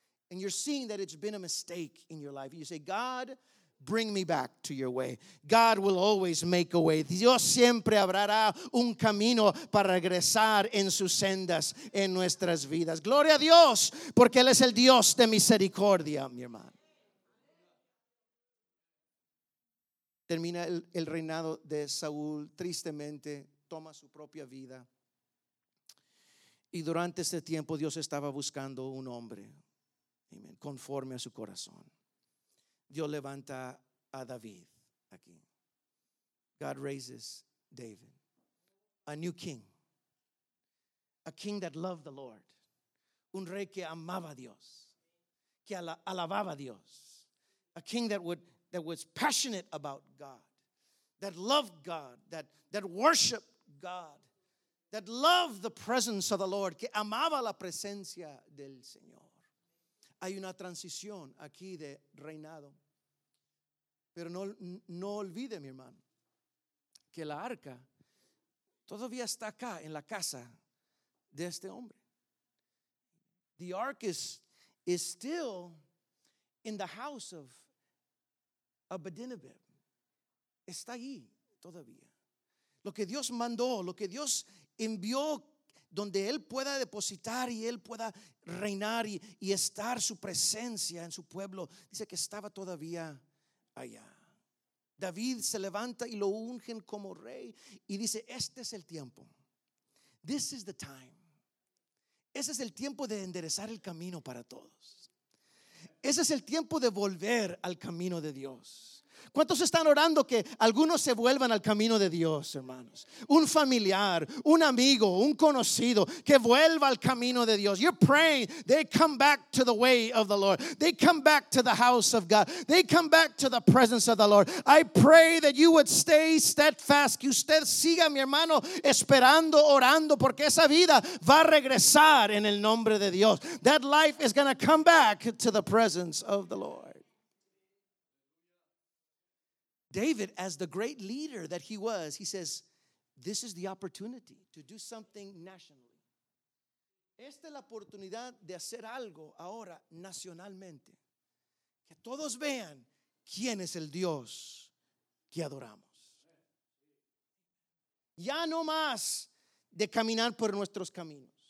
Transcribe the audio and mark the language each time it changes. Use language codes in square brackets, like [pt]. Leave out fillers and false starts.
[en] And you're seeing that it's been a mistake in your life. You say, God, bring me back to your way. God will always make a way. [es] Dios siempre abrirá un camino para regresar en sus sendas, en nuestras vidas. Gloria a Dios, porque Él es el Dios de misericordia, mi hermano. Termina el reinado de Saúl, tristemente toma su propia vida. Y durante ese tiempo Dios estaba buscando un hombre, amen, conforme a su corazón. Dios levanta a David aquí. [en] God raises David, a new king. A king that loved the Lord. [es] Un rey que amaba a Dios, que alababa a Dios. [en] A king that was passionate about God, that loved God, that worshiped God, that loved the presence of the Lord, [es] que amaba la presencia del Señor. Hay una transición aquí de reinado. Pero no olvide, mi hermano, que la arca todavía está acá en la casa de este hombre. [en] The ark is still in the house of Abinadab. [es] Está ahí todavía. Lo que Dios mandó, lo que Dios envió, donde él pueda depositar y él pueda reinar y estar su presencia en su pueblo, dice que estaba todavía allá. David se levanta y lo ungen como rey y dice, este es el tiempo. [en] This is the time. [es] Ese es el tiempo de enderezar el camino para todos. Ese es el tiempo de volver al camino de Dios. ¿Cuántos están orando que algunos se vuelvan al camino de Dios, hermanos? Un familiar, un amigo, un conocido, que vuelva al camino de Dios. [en] You're praying, they come back to the way of the Lord. They come back to the house of God. They come back to the presence of the Lord. I pray that you would stay steadfast. [es] Que usted siga, mi hermano, esperando, orando, porque esa vida va a regresar en el nombre de Dios. [en] That life is going to come back to the presence of the Lord. David, as the great leader that he was, he says, this is the opportunity to do something nationally. [es] Esta es la oportunidad de hacer algo ahora nacionalmente. Que todos vean quién es el Dios que adoramos. Ya no más de caminar por nuestros caminos.